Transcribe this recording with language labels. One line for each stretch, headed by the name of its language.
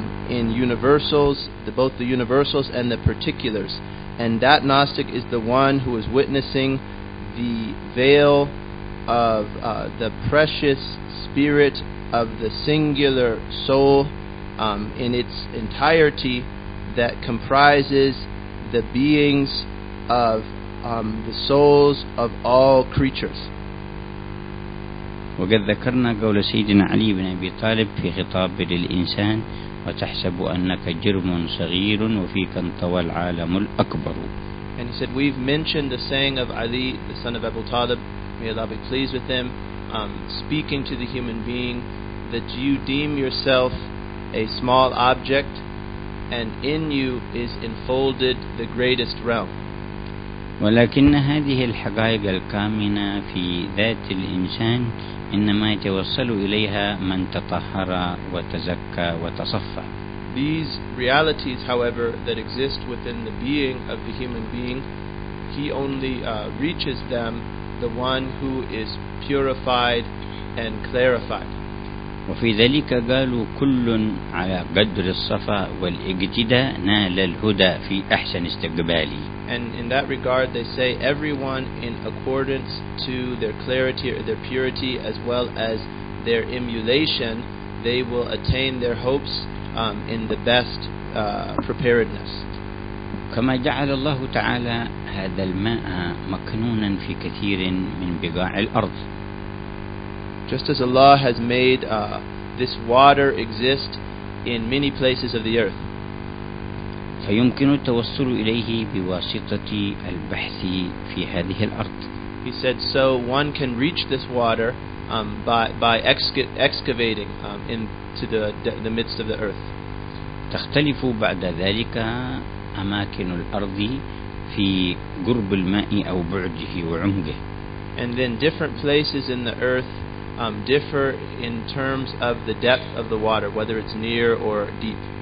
English: in universals, both the universals and the particulars, and that Gnostic is the one who is witnessing the veil of the precious spirit of the singular soul in its entirety that comprises the beings of the souls of all creatures.
Arabic: وقد ذكرنا قول سيدنا علي بن أبي طالب في خطاب للإنسان وتحسب أنك جرم صغير وفيك انطوى العالم الأكبر.
English: And he said, we've mentioned the saying of Ali, the son of Abu Talib, may Allah be pleased with him, speaking to the human being, that you deem yourself a small object, and in you is enfolded the greatest realm.
Arabic: ولكن هذه الحقائق الكامنة في ذات الإنسان إنما يتوصل إليها من تطهر وتزكى وتصفى.
English: These realities, however, that exist within the being of the human being, he only reaches them the one who is purified and clarified.
Arabic: وفي ذلك قالوا كل على قدر الصفا والاقتداء نال الهدى في أحسن استقبالي.
English: And in that regard, they say everyone, in accordance to their clarity or their purity, as well as their emulation, they will attain their hopes in the best preparedness.
Arabic: كما جعل الله تعالى هذا الماء مكنونا في كثير من بقاع الأرض.
English: Just as Allah has made this water exist in many places of the earth.
Arabic: فيمكن التوصل إليه بواسطة البحث في هذه الأرض.
English: He said, so one can reach this water by excavating into the midst of the earth.
Arabic: تختلف بعد ذلك أماكن الأرض في قرب الماء أو بعده وعمقه.
English: And then different places in the earth differ in terms of the depth of the water, whether it's near or deep.